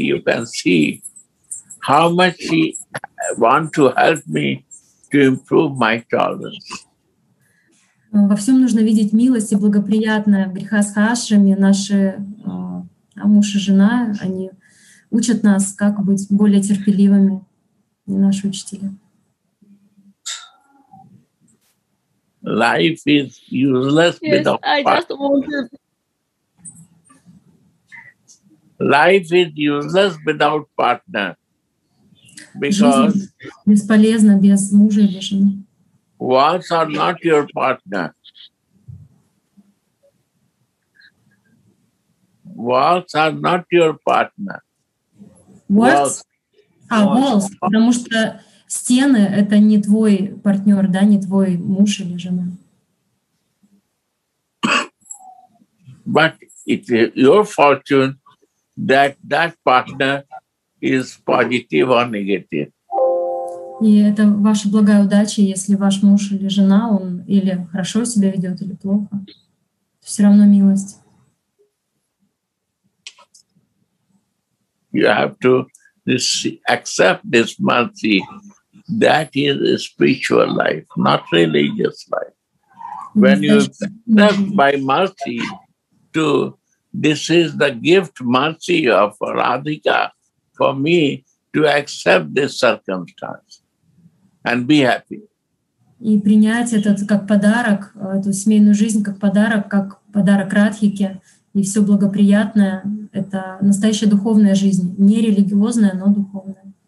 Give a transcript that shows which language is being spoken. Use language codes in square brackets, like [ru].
[en] You can see how much she wants to help me to improve my tolerance. [ru] Во всем нужно видеть милость и благоприятное. Грихасхашрами наши а муж и жена, они учат нас, как быть более терпеливыми, не наши учителя. [en] Life is useless yes, without I just wanted... Life is useless without partner. Because [ru] бесполезно без мужа или жены. [en] Walls are not your partner. Walls are not your partner. Walls? Walls. [ru] Потому что стены – это не твой партнер, да, не твой муж или жена. [en] But it is your fortune that that partner is positive or negative. [ru] И это ваша благая удача, если ваш муж или жена, он или хорошо себя ведет, или плохо. Все равно милость. [en] You have to accept this mercy. That is a spiritual life, not religious life. When you accept by mercy, to this is the gift mercy of Radhika for me to accept this circumstance and be happy. [ru] И принять этот как подарок, эту семейную жизнь как подарок Радхике. И все благоприятное – это настоящая духовная жизнь, не религиозная, но духовная.